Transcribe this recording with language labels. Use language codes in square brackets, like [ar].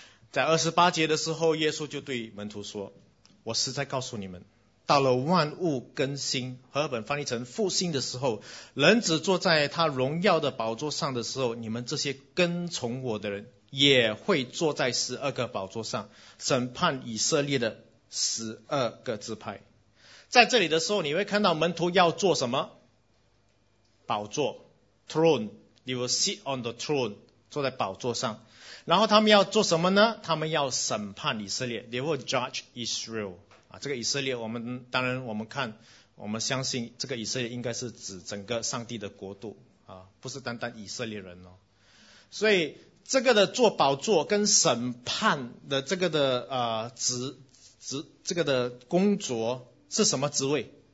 [zh] 在28节的时候，耶稣就对门徒说，我实在告诉你们，到了万物更新，和本翻译成复兴的时候，人子坐在他荣耀的宝座上的时候，你们这些跟从我的人也会坐在12个宝座上，审判以色列的12个支派。在这里的时候，你会看到门徒要做什么？宝座 ， [en] throne， you will sit on the throne， [zh] 坐在宝座上。然后他们要做什么呢？他们要审判以色列 ， [en] they will judge Israel。 [zh] 啊，这个以色列，我们当然我们看，我们相信这个以色列应该是指整个上帝的国度啊，不是单单以色列人哦。所以这个的做宝座跟审判的这个的这个的工作是什么职位？